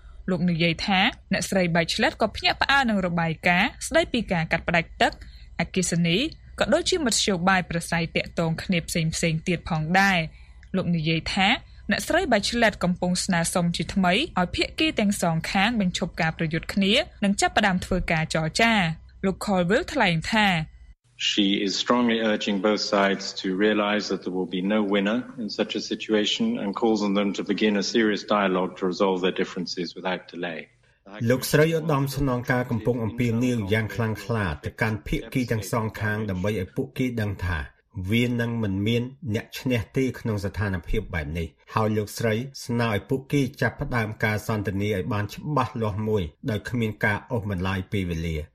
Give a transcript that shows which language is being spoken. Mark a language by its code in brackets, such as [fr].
[km] លោកនិយាយថាអ្នកស្រីបៃឆ្លាតក៏ភ្ញាក់ផ្អើលនឹងរបាយការណ៍ស្ដីពីការកាត់ផ្ដាច់ទឹកអគិសនីក៏ដូចជាមធ្យោបាយប្រស័យតាក់ទងគ្នាផ្សេងផ្សេងទៀតផងដែរលោកនិយាយថាអ្នកស្រីបៃឆ្លាតកំពុងស្នើសុំជាថ្មីឲ្យភាគីទាំងសងខាងបញ្ឈប់ការប្រយុទ្ធគ្នានិងចាប់ផ្ដើមធ្វើការចរចាលោក Colville ថ្លែងថា [en] She is strongly urging both sides to realize that there will be no winner in such a situation and calls on them to begin a serious dialogue to resolve their differences without delay. [km] លោកស្រីឧត្តមស្នងការកំពុងអំពាវនាវយ៉ាងខ្លាំងក្លាទៅកាន់ភាគីទាំងសងខាងដើម្បីឲ្យពួកគេដឹងថាវានឹងមិនមានអ្នកឈ្នះទេក្នុងស្ថានភាពបែបនេះហើយលោកស្រីស្នើឲ្យពួកគេចាប់ផ្ដើមការសន្ទនាឲ្យបានច្បាស់លាស់មួយដោយគ្មានការអូសបន្លាយពេលវេលា